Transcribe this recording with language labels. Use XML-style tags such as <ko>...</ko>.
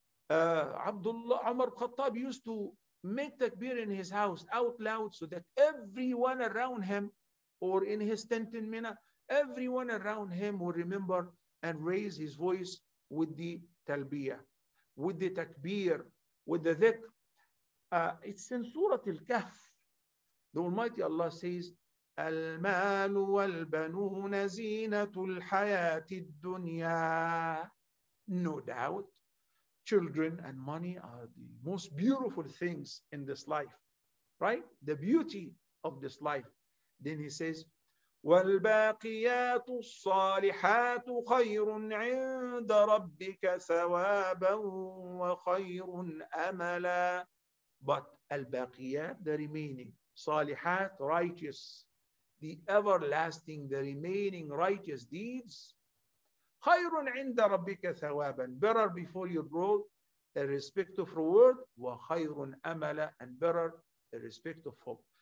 <en>Abdullah Umar Khattab used to make takbir in his house out loud so that everyone around him, or in his tent in Mina, everyone around him will remember and raise his voice with the talbiyah, with the takbir, with the dhikr. It's in Surah Al-Kahf. The Almighty Allah says,</en> <ar>المال والبنون زينة الحياة الدنيا.</ar> <en>No doubt, children and money are the most beautiful things in this life, right? The beauty of this life. Then he says,</en> <ar>والباقيات الصالحات خير عند ربك ثوابا وخير أملا.</ar> <en>But al-baqiyat, the remaining, salihat, righteous, the everlasting, the remaining righteous deeds, khayrun inda rabbika thawaban, better before your Lord, irrespective of reward, wa khayrun amala, and better irrespective of hope.</en>